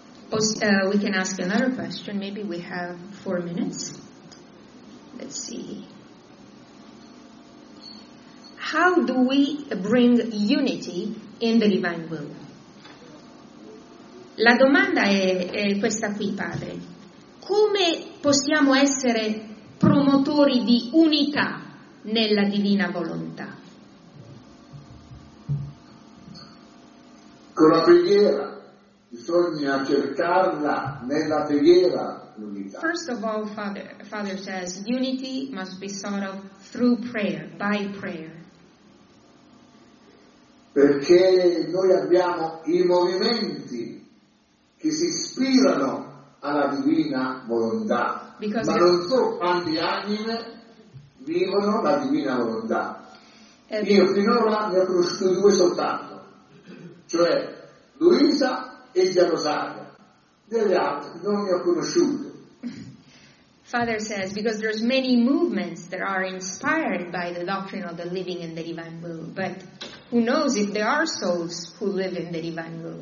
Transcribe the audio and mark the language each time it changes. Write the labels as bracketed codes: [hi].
[en] We can ask another question. Maybe we have 4 minutes. Let's see. How do we bring unity in the divine will? [it] La domanda è questa qui, padre. Come possiamo essere promotori di unità nella divina volontà? Con la preghiera. Bisogna cercarla nella preghiera, l'unità. [en] First of all, Father says, unity must be sought of through prayer, by prayer. [it] Perché noi abbiamo i movimenti che si ispirano alla divina volontà. [en] Because [it] ma non so quante anime vivono la divina volontà. Io finora ne ho conosciuto due soltanto, cioè Luisa e Gia Rosaria, delle altre non ne ho conosciute. [en] Father says, because there's many movements that are inspired by the doctrine of the living in the divine will, but who knows if there are souls who live in the divine will.